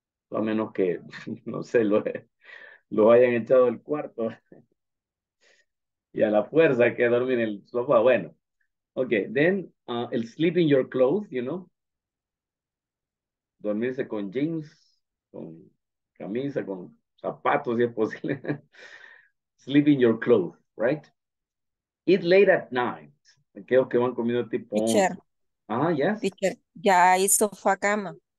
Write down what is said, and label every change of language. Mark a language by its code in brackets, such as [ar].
[es] A menos que, no sé, lo hayan echado al cuarto. Y a la fuerza que dormir en el sofá, bueno. [en] Okay, then, el sleep in your clothes, you know? [es] Dormirse con jeans, con camisa, con zapatos, si es posible. [en] Sleep in your clothes, right? Eat late at night. [es] Aquellos que van comiendo tipo... [en] Teacher. Ah, yes. Teacher, [es] ya hay sofá cama.